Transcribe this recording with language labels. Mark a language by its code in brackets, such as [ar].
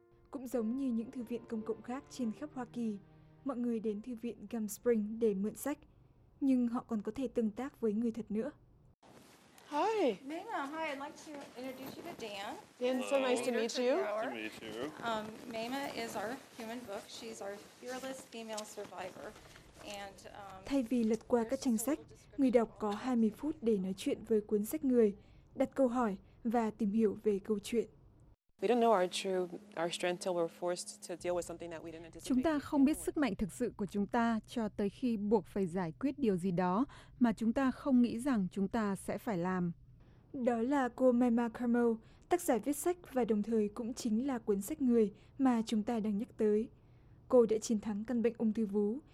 [vi] Cũng giống như những thư viện công cộng khác trên khắp Hoa Kỳ, mọi người đến thư viện Gum Spring để mượn sách. Nhưng họ còn có thể tương tác với người thật nữa. [en] Hi. Mena, hi. I'd like to introduce you to Dan. Dan, so nice to meet you. To meet you. Mena is our human book. She's our fearless female survivor. And [vi] thay vì lật qua các trang sách, người đọc có 20 phút để nói chuyện với cuốn sách người, đặt câu hỏi và tìm hiểu về câu chuyện. [en] We don't know our true our strength till we're forced to deal with something that we didn't anticipate. [vi] Chúng ta không biết sức mạnh thực sự của chúng ta cho tới khi buộc phải giải quyết điều gì đó mà chúng ta không nghĩ rằng chúng ta sẽ phải làm. Đó là cô Maima Carmo, tác giả viết sách và đồng thời cũng chính là cuốn sách người mà chúng ta đang nhắc tới. Cô đã chiến thắng căn bệnh ung thư vú